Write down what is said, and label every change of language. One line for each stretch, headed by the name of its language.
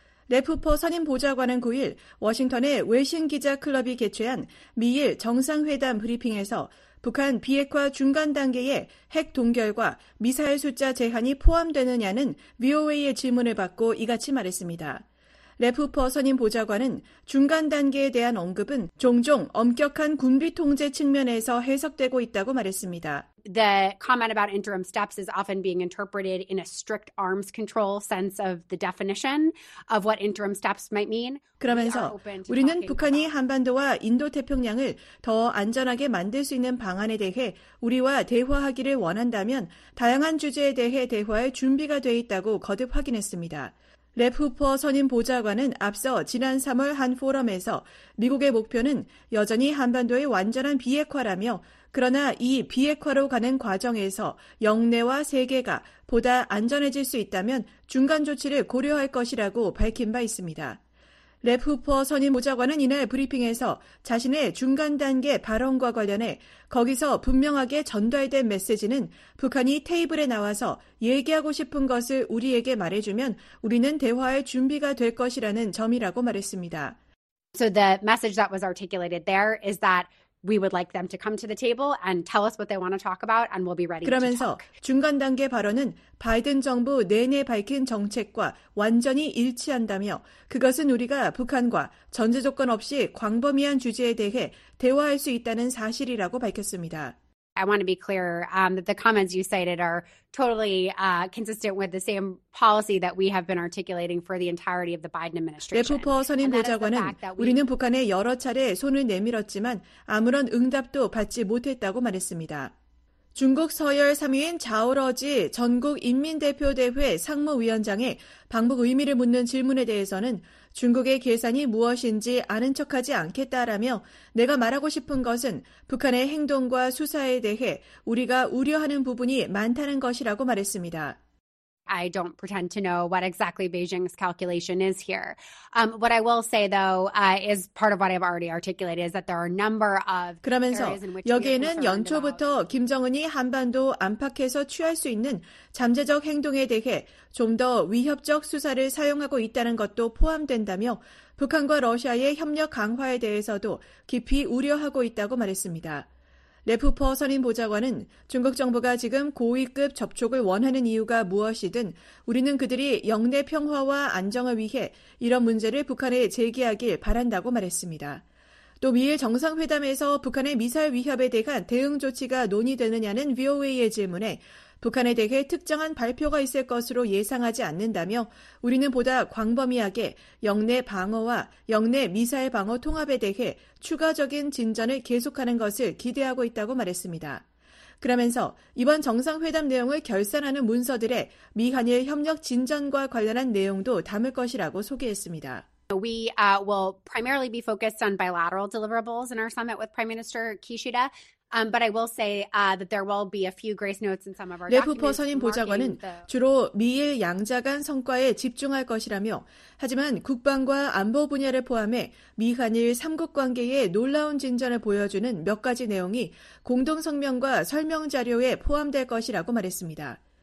Korean: 레프퍼 선임 보좌관은 9일 워싱턴의 외신 기자 클럽이 개최한 미일 정상회담 브리핑에서 북한 비핵화 중간 단계에 핵 동결과 미사일 숫자 제한이 포함되느냐는 VOA의 질문을 받고 이같이 말했습니다. 레프퍼 선임 보좌관은 중간 단계에 대한 언급은 종종 엄격한 군비 통제 측면에서 해석되고 있다고 말했습니다.
English: The comment about interim steps is often being interpreted in a strict arms control sense of the definition of what interim steps might mean.
Korean: 그러면서 우리는 북한이 한반도와 인도태평양을 더 안전하게 만들 수 있는 방안에 대해 우리와 대화하기를 원한다면 다양한 주제에 대해 대화할 준비가 돼 있다고 거듭 확인했습니다. 랩 후퍼 선임 보좌관은 앞서 지난 3월 한 포럼에서 미국의 목표는 여전히 한반도의 완전한 비핵화라며 그러나 이 비핵화로 가는 과정에서 영내와 세계가 보다 안전해질 수 있다면 중간 조치를 고려할 것이라고 밝힌 바 있습니다. 랩 후퍼 선임 보좌관은 이날 브리핑에서 자신의 중간 단계 발언과 관련해 거기서 분명하게 전달된 메시지는 북한이 테이블에 나와서 얘기하고 싶은 것을 우리에게 말해주면 우리는 대화할 준비가 될 것이라는 점이라고 말했습니다.
English: So the message that was articulated there is that we would like them to come to the table and tell us what they want to talk about and we'll be ready to talk.
Korean: 그러면서 중간 단계 발언은 바이든 정부 내내 밝힌 정책과 완전히 일치한다며 그것은 우리가 북한과 전제 조건 없이 광범위한 주제에 대해 대화할 수 있다는 사실이라고 밝혔습니다.
English: I want to be clear that the comments you cited are totally consistent with the same policy that we have been articulating for the entirety of the Biden administration.
Korean: 레프퍼 선임 보좌관은 우리는 북한에 여러 차례 손을 내밀었지만 아무런 응답도 받지 못했다고 말했습니다. 중국 서열 3위인 자오러지 전국인민대표대회 상무위원장의 방북 의미를 묻는 질문에 대해서는 중국의 계산이 무엇인지 아는 척하지 않겠다라며 내가 말하고 싶은 것은 북한의 행동과 수사에 대해 우리가 우려하는 부분이 많다는 것이라고 말했습니다.
English: I don't pretend to know what exactly Beijing's calculation is here. What I will say, though, is part of what I've already articulated is that there are a number of
Korean: 그러면서
English: areas in which
Korean: 여기에는 연초부터 김정은이 한반도 안팎에서 취할 수 있는 잠재적 행동에 대해 좀 더 위협적 수사를 사용하고 있다는 것도 포함된다며 북한과 러시아의 협력 강화에 대해서도 깊이 우려하고 있다고 말했습니다. 레프퍼 선임 보좌관은 중국 정부가 지금 고위급 접촉을 원하는 이유가 무엇이든 우리는 그들이 영내 평화와 안정을 위해 이런 문제를 북한에 제기하길 바란다고 말했습니다. 또 미일 정상회담에서 북한의 미사일 위협에 대한 대응 조치가 논의되느냐는 VOA의 질문에 북한에 대해 특정한 발표가 있을 것으로 예상하지 않는다며 우리는 보다 광범위하게 영내 방어와 영내 미사일 방어 통합에 대해 추가적인 진전을 계속하는 것을 기대하고 있다고 말했습니다. 그러면서 이번 정상회담 내용을 결산하는 문서들에 미한일 협력 진전과 관련한 내용도 담을 것이라고 소개했습니다.
English: We will primarily be focused on bilateral deliverables in our summit with Prime Minister Kishida. But I will say that there will be a few grace notes in some of our documents.
Korean: 레프퍼 선임 보좌관은 주로 미일 양자 간 성과에 집중할 것이라며 하지만 국방과 안보 분야를 포함해 미한일 3국 관계에 놀라운 진전을 보여주는 몇 가지 내용이 공동 성명과 설명 자료에 포함될 것이라고 말했습니다.